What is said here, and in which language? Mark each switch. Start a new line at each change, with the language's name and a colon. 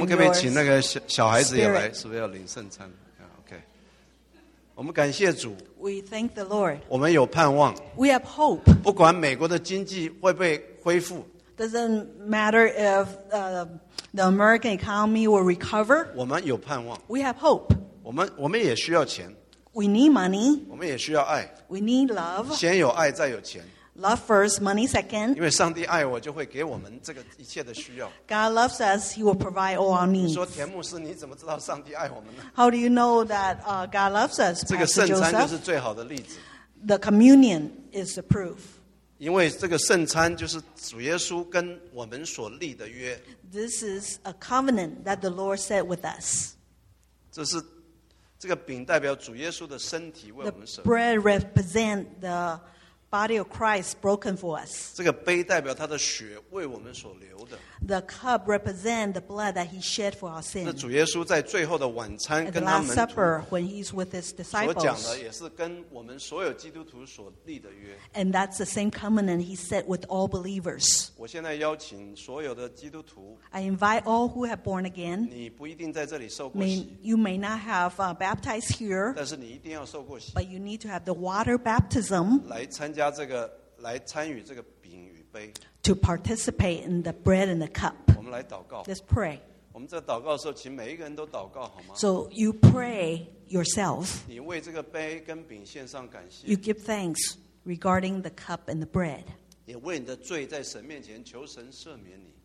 Chinese: 我们可不可以请那个小孩子也来？是不是要领圣餐 ？OK。我们感谢主。
English: We thank the Lord.
Chinese: 我们有盼望。
English: We have hope.
Chinese: 不管美国的经济会被恢复。
English: Doesn't matter if the American economy will recover.
Chinese: 我们有盼望。
English: We have hope.
Chinese: 我们也需要钱。
English: We need money.
Chinese: 我们也需要爱。
English: We need love.
Chinese: 先有爱，再有钱。
English: Love first, money second.
Chinese: 因为上帝爱我，就会给我们这个一切的需要。
English: God loves us; He will provide all our needs.
Chinese: 说田牧师，你怎么知道上帝爱我们呢
English: ？How do you know that God loves us?
Chinese: 这个圣餐就是最好的例子。
English: The communion is the proof.
Chinese: 因为这个圣餐就是主耶稣跟我们所立的约。
English: This is a covenant that the Lord set with us.
Chinese: 这是这个饼代表主耶稣的身体为我们舍。
English: The bread represent the Body of Christ broken for us.
Chinese: 这个杯代表他的血为我们所流的。
English: The cup represents the blood that he shed for our sins.
Chinese: 那主耶稣在最后的晚餐跟他们。
English: At Last Supper, when he's with his disciples.
Chinese: 所讲的也是跟我们所有基督徒所立的约。
English: And that's the same covenant he set with all believers.
Chinese: 我现在邀请所有的基督徒。
English: I invite all who have born again.
Chinese: 你不一定在这里受过洗。
English: You may not have baptized here.
Chinese: 但是你一定要受过洗。
English: But you need to have the water baptism.
Chinese: 来参与这个饼与杯
English: to participate in the bread and the cup.
Chinese: 我们来祷告
English: Let's pray.
Chinese: 我们在祷告的时候，请每一个人都祷告好吗
English: So you pray yourself.
Chinese: 你为这个杯跟饼献上感谢
English: You give thanks regarding the cup and the bread.
Chinese: 也为你的罪在神面前求神赦免你